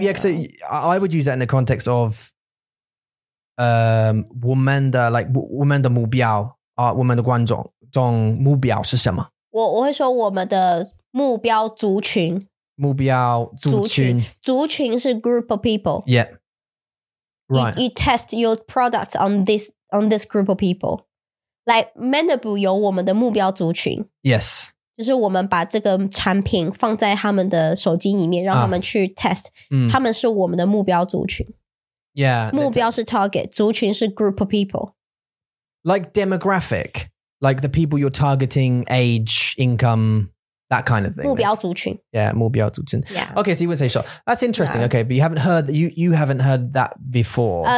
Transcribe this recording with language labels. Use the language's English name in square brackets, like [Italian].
[English] Yeah, because I would use that in the context of [Chinese] 我们的, [English] like [Chinese] 我们的目标, 我们的观众目标是什么？我会说我们的目标族群。目标族群。族群是 [English] group of people. Yeah. Right. You test your products on this group of people. Like [Chinese] Mandible 有我们的目标族群。 [English] Yes. [Chinese] 就是我们把这个产品放在他们的手机里面，让他们去 [English] test. [Chinese] 他们是我们的目标族群。 [English] Yeah. [Chinese] 目标是 [English] target, [Chinese] 族群是 [English] group of people. Like demographic, like the people you're targeting, age, income, that kind of thing. [Chinese] 目标族群. [English] Yeah, [Chinese] 目标族群. [English] Yeah. Okay, so you wouldn't say short. That's interesting. Yeah. Okay, but you haven't heard that, you haven't heard that before.